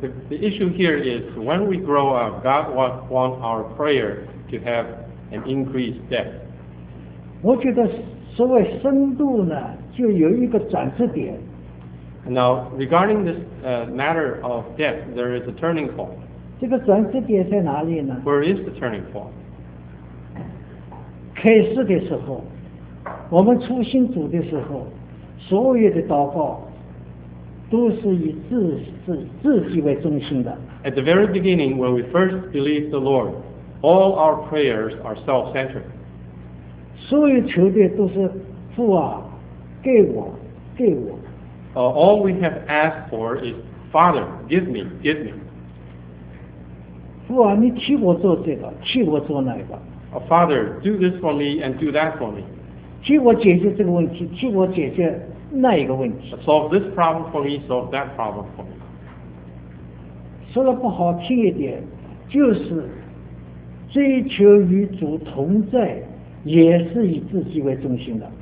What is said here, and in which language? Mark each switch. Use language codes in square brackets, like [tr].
[en] The issue here is when we grow up, God wants our prayer to have an increased depth. [zh] 我觉得所谓深度呢，就有一个转折点。 [en] Now, regarding this matter of depth, there is a turning point. [zh] 这个转折点在哪里呢？ [en] Where is the turning point? [zh] 开始的时候，我们初心主的时候，所有的祷告都是以自己为中心的。 [en] At the very beginning, when we first believe the Lord, all our prayers are self-centered. [zh] 所有求的都是父啊，给我，给我。 [en] All we have asked for is, Father, give me, give me. [zh] 父啊，你替我做这个，替我做那个。 [en] Father, do this for me and do that for me. [zh] 替我解决这个问题，替我解决那一个问题。 [en] Solve this problem for me, solve that problem for me. [zh] 说了不好听一点，就是追求与主同在，也是以自己为中心的。